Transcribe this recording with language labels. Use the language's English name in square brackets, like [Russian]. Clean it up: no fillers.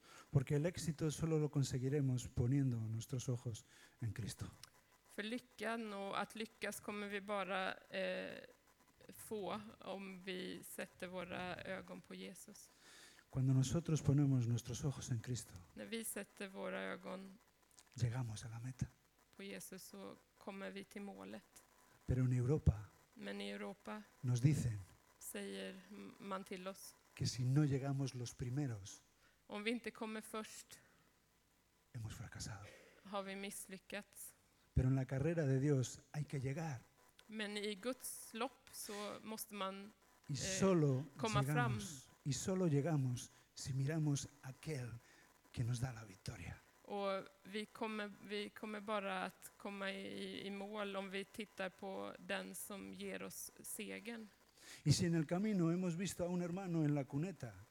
[Spanish] Porque el éxito solo lo conseguiremos poniendo nuestros ojos en Cristo. [Swedish] För lyckan och att lyckas kommer vi bara få om vi sätter våra ögon på Jesus. [Spanish] Cuando nosotros ponemos nuestros ojos en Cristo. [Swedish] När vi sätter våra ögon [Spanish] llegamos a la meta. [Swedish] På Jesus så kommer vi till målet. [Spanish] Pero en Europa. [Swedish] Men i Europa. [Spanish] Nos dicen. [Swedish] Säger man till oss. [Spanish] Que si no llegamos los primeros. [Swedish] Om vi inte kommer först. [Spanish] Hemos fracasado. [Swedish] Har vi misslyckats. [Spanish] Pero en la carrera de Dios hay que llegar. [Swedish] Men i Guds lopp så måste man [Spanish] solo [Swedish] komma [Spanish] llegamos, [Swedish] fram. [Spanish] Y solo llegamos si miramos aquel que nos da la victoria. [Swedish] Och vi kommer bara att komma i mål om vi tittar på den som ger oss segern. [Spanish] Y si en el camino hemos visto a un hermano en la cuneta.